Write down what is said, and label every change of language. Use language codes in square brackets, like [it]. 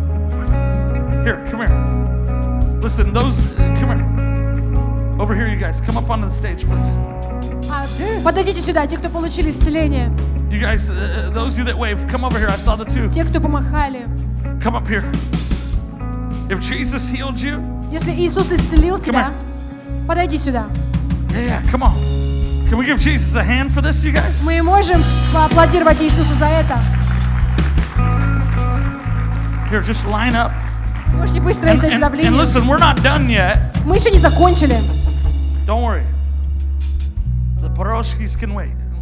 [en] Here, come here. Listen, those, come here. Over here, you guys. Come up onto the stage, please. [ru] Подойдите сюда, те, кто получили исцеление. [en] You guys, those of you that waved, come over here. I saw the two. [ru] Те, кто помахали. [en] Come up here. If Jesus healed you, [ru] если Иисус исцелил тебя, подойди сюда. [en] Yeah, yeah, come on. Can we give Jesus a hand for this, you guys? [ru] Мы можем поаплодировать Иисусу за это. [en] Here, just line up. [ru] Можете выстроиться сюда в линию. [en] And listen, we're not done yet. [ru] Мы еще не закончили. [en] Don't worry. The Poroshkis can wait.